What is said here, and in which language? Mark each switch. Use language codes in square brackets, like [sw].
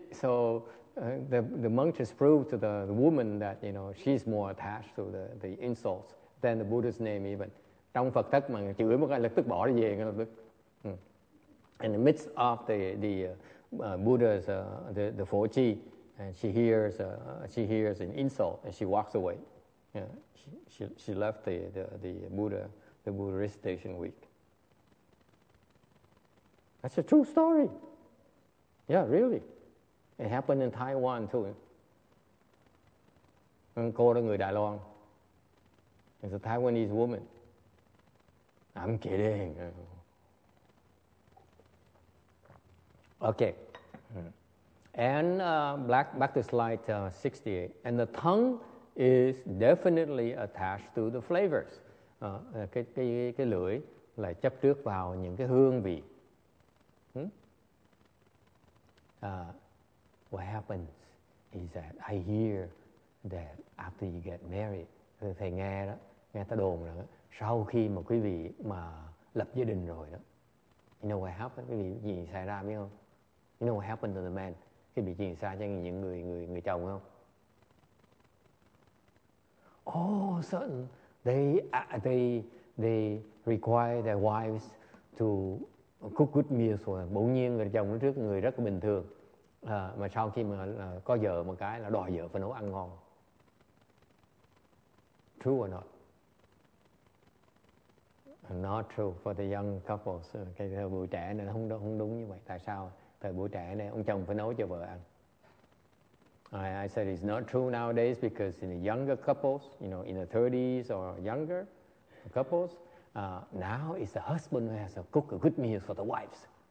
[en] So the monk just proved to the woman that, you know, she's more attached to the insults than the Buddha's name even. [vi] Trong Phật thất mà chửi một cái lập tức bỏ đi về ngay lập tức. [en] In the midst of the Buddha's the Phổ Chi, And she hears an insult, and she walks away. Yeah, she left the Buddhist station weak. That's a true story. Yeah, really. It happened in Taiwan too. When [vi] cô đó người Đài Loan, [en] it's a Taiwanese woman. I'm kidding. Okay. And back to slide 68. And the tongue is definitely attached to the flavors. [vi] Cái lưỡi là chấp trước vào những cái hương vị. [en] What happens is that I hear that after you get married, [vi] thầy nghe đó, nghe ta đồn rồi đó, sau khi mà quý vị mà lập gia đình rồi đó, [en] you know what happens? [vi] Quý vị gì xảy ra biết không? [en] You know what happened to the man? [vi] Quý vị chuyển xa cho những người chồng không? [en] All of a sudden, they require their wives to cook good meals for them. [vi] Bỗng nhiên người chồng trước người rất bình thường. Mà sau khi mà có vợ một cái là đòi vợ phải nấu ăn ngon. [en] True or not? Not true for the young couples. [vi] Cái thời buổi trẻ này nó không đúng như vậy. Tại sao? Thời buổi trẻ này ông chồng phải nấu cho vợ ăn. [en] I said it's not true nowadays because in the younger couples, you know, in the 30s or younger couples, now it's the husband who has to cook a good meal for the wives.